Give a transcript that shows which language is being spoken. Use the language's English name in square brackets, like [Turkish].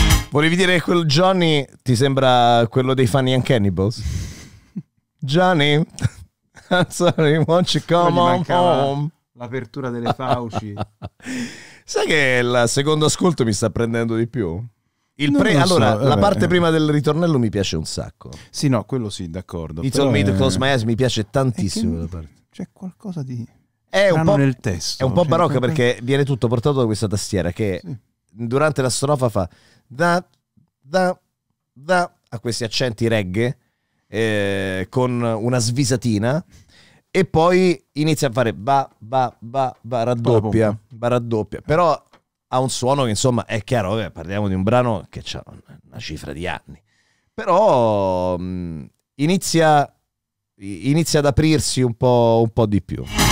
[Italian] Volevi dire che quel Johnny ti sembra quello dei Funny and Cannibals? [English] Johnny, I'm sorry, won't you come on home? [Italian] L'apertura delle fauci. Sai che il secondo ascolto mi sta prendendo di più? La parte prima del ritornello mi piace un sacco. Sì, no, quello sì, d'accordo. [English] He told me to close my eyes, [Italian] mi piace tantissimo. Che... parte. C'è qualcosa di è un po' nel testo. È un po' barocca qualcosa... perché viene tutto portato da questa tastiera che... Sì. Durante la strofa fa da da da a questi accenti reggae con una svisatina e poi inizia a fare ba ba ba ba raddoppia, ba raddoppia, però ha un suono che insomma è chiaro, parliamo di un brano che c'ha una cifra di anni, però inizia ad aprirsi un po' di più.